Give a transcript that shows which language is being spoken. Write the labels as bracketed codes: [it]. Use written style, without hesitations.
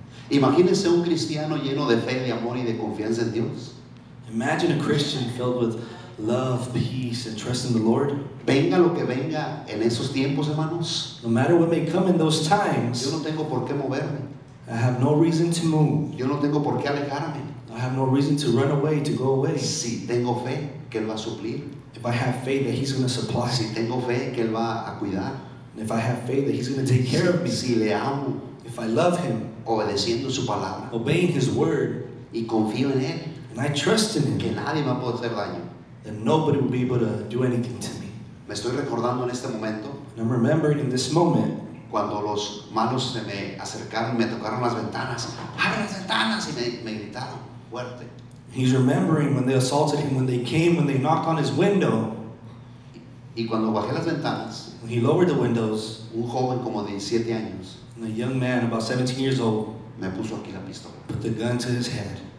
[es] Imagínese un cristiano lleno de fe, de amor y de confianza en Dios. [en] Imagine a Christian filled with love, peace, and trust in the Lord. [es] Venga lo que venga en esos tiempos, hermanos. [en] No matter what may come in those times. [es] Yo no tengo por qué moverme. [en] I have no reason to move. [es] Yo no tengo por qué alejarme. [en] I have no reason to run away, to go away. [es] Si tengo fe, que él va a suplir. [en] If I have faith that he's going to supply. [es] Si tengo fe, que él va a cuidar. [en] And if I have faith that he's going to take care of me. [es] Si le amo. [en] If I love him. [es] Obedeciendo su palabra. [en] Obeying his word. [es] Y confío en él. [en] And I trust in him. [es] Que nadie me puede hacer daño. [en] Then nobody will be able to do anything to me. [es] Me estoy recordando en este momento. [en] And I'm remembering in this moment. [es] Cuando los malos se me acercaron, me tocaron las ventanas. Abre las ventanas. Y me gritaron fuerte. [en] He's remembering when they assaulted him, when they came, when they knocked on his window. [es] Y cuando bajé las ventanas, [en] when he lowered the windows, [es] un joven como de 17 años, [en] and a young man about 17 years old, [es] me puso aquí la pistola, [en] put the gun to his head.